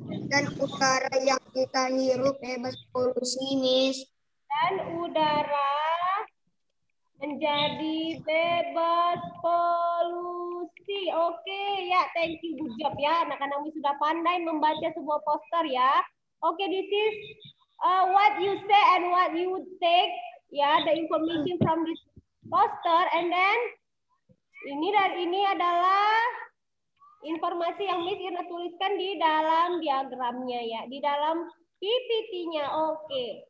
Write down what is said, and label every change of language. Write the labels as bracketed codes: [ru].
[id] Dan udara yang kita hirup bebas polusi, Miss. Dan udara menjadi bebas polusi. Oke, ya, [en] thank you, good job [id] ya. Anak-anak ini sudah pandai membaca sebuah poster ya. [en] Oke, this is what you say and what you would take. Ya, the information from this poster. And then, [id] ini adalah informasi yang Miss Irna tuliskan di dalam diagramnya ya. Di dalam PPT-nya, oke.